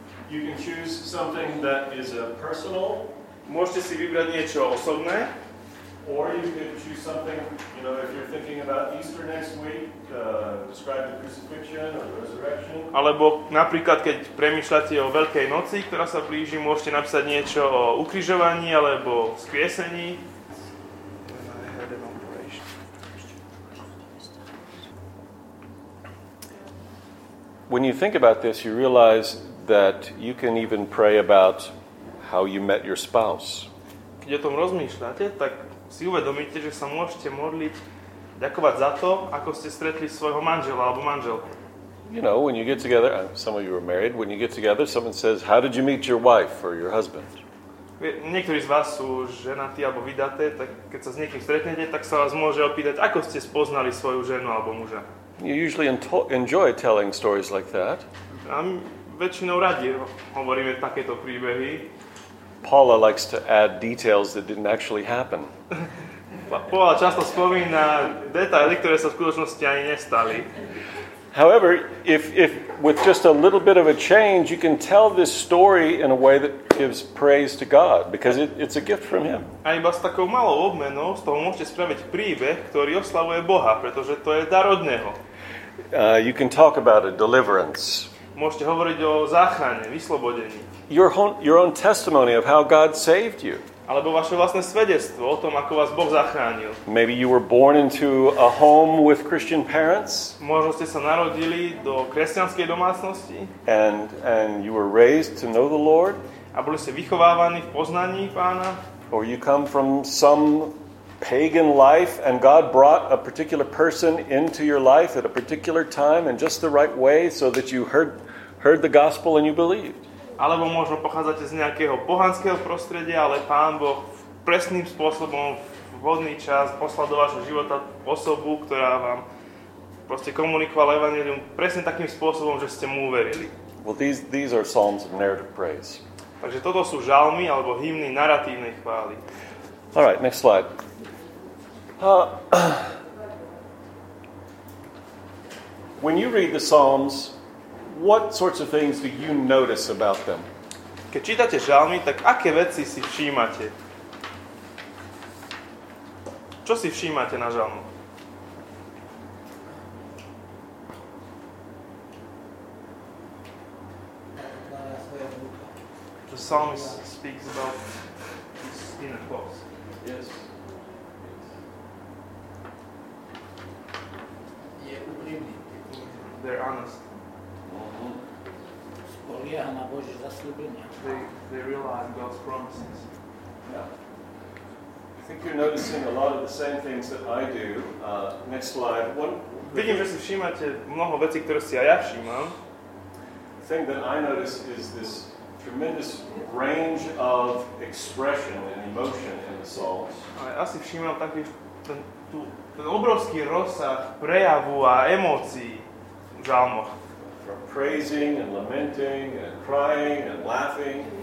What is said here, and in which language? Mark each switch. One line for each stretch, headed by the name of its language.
English: You can choose something that is a personal.
Slovak: Môžete si vybrať niečo osobné.
English: Or you can choose something, you know, if you're thinking about Easter next week, describe the crucifixion or the resurrection.
Slovak: Alebo napríklad, keď premýšľate o Veľkej noci, ktorá sa blíži, môžete napísať niečo o ukrižovaní alebo skriesení.
English: When you think about this, you realize that you can even pray about how you met your spouse.
Slovak: Keď o tom rozmýšľate, tak si uvedomíte, že sa môžete modliť, ďakovať za to, ako ste stretli svojho manžela alebo manželku.
English: You know, when you get together, some of you are married, when you get together, someone says, how did you meet your wife or your husband?
Slovak: Niektorí z vás sú ženatí alebo vydaté, tak keď sa s niekým stretnete, tak sa vás môže opýtať, ako ste spoznali svoju ženu alebo muža.
English: You usually enjoy telling stories like that.
Slovak: Väčšinou radi hovoríme takéto príbehy.
English: Paula likes to add details that didn't actually happen.
Slovak: Paula často spomína detaily, ktoré sa v skutočnosti ani nestali.
English: However, if with just a little bit of a change, you can tell this story in a way that gives praise to God, because it's a gift from him.
Slovak: A iba s takou malou obmenou z toho môžete spraviť príbeh, ktorý oslavuje Boha, pretože to je dar od neho.
English: You can talk about a deliverance.
Slovak: Môžete hovoriť o záchrane, vyslobodení.
English: Your own testimony of how God saved you.
Slovak: Alebo vaše vlastné svedectvo o tom, ako vás Boh zachránil.
English: Maybe you were born into a home with Christian parents.
Slovak: Možno ste sa narodili do kresťanskej domácnosti.
English: And you were raised to know the Lord.
Slovak: A boli ste vychovávaní v poznaní Pána.
English: Or you come from some pagan life and God brought a particular person into your life at a particular time in just the right way so that you heard the gospel and you believed.
Slovak: Alebo možno pochádzate z nejakého pohanského prostredia, ale Pán Boh presným spôsobom v vhodný čas poslal do vášho života osobu, ktorá vám proste komunikovala evanjelium presne takým spôsobom, že ste mu uverili.
English: Well, these are psalms of narrative praise.
Slovak: Takže toto sú žalmy alebo hymny naratívnej chvály.
English: All right, next slide. When you read the psalms, what sorts of things do you notice about them?
Slovak: Keď čítate žalmy, tak aké veci si všímate? Čo si všímate na žalmu?
English: The psalmist speaks about his inner thoughts. Yes. They're honest.
Slovak: Spoliehajú na Božie zasľúbenia.
English: They realize God's promises. Yeah. I think you're noticing a lot of the same things that I do. Next slide.
Slovak: Vidím, že si všímate mnoho vecí, ktoré si aj ja všímam.
English: thing that I notice is this tremendous range of expression and emotion in the psalms.
Slovak: Ja si všímam taký ten obrovský rozsah prejavu a emócií v žalmoch.
English: From praising and lamenting and crying and laughing.